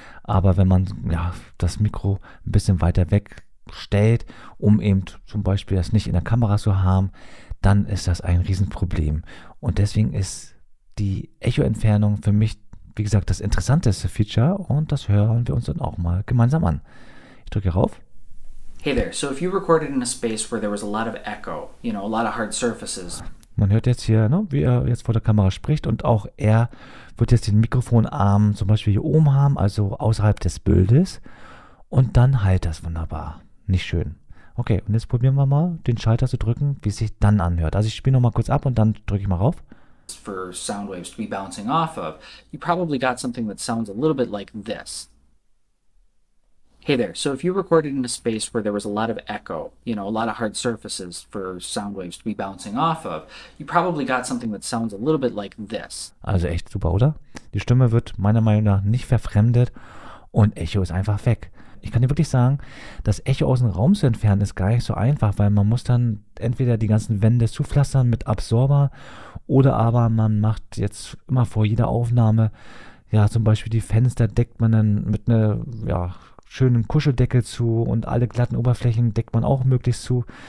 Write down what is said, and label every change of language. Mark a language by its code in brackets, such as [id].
[de] Aber wenn man ja, das Mikro ein bisschen weiter weg stellt, um eben zum Beispiel das nicht in der Kamera zu haben, dann ist das ein Riesenproblem. Und deswegen ist die Echoentfernung für mich, wie gesagt, das interessanteste Feature und das hören wir uns dann auch mal gemeinsam an. Ich drücke hier rauf. [en] Hey there, so if you recorded in a space where there was a lot of echo, you know, a lot of hard surfaces. [de] Man hört jetzt hier, ne, wie er jetzt vor der Kamera spricht und auch er wird jetzt den Mikrofonarm zum Beispiel hier oben haben, also außerhalb des Bildes und dann heilt das wunderbar. Nicht schön. Okay, und jetzt probieren wir mal, den Schalter zu drücken, wie es sich dann anhört. Also ich spiele nochmal kurz ab und dann drücke ich mal rauf. [en] For sound waves to be bouncing off of, you probably got something that sounds a little bit like this. Hey there, so if you recorded in a space where there was a lot of echo, you know, a lot of hard surfaces for sound waves to be bouncing off of, you probably got something that sounds a little bit like this. [de] Also echt super, oder? Die Stimme wird meiner Meinung nach nicht verfremdet und Echo ist einfach weg. Ich kann dir wirklich sagen, das Echo aus dem Raum zu entfernen ist gar nicht so einfach, weil man muss dann entweder die ganzen Wände zupflastern mit Absorber oder aber man macht jetzt immer vor jeder Aufnahme, ja zum Beispiel die Fenster deckt man dann mit einer ja, schönen Kuscheldecke zu und alle glatten Oberflächen deckt man auch möglichst zu.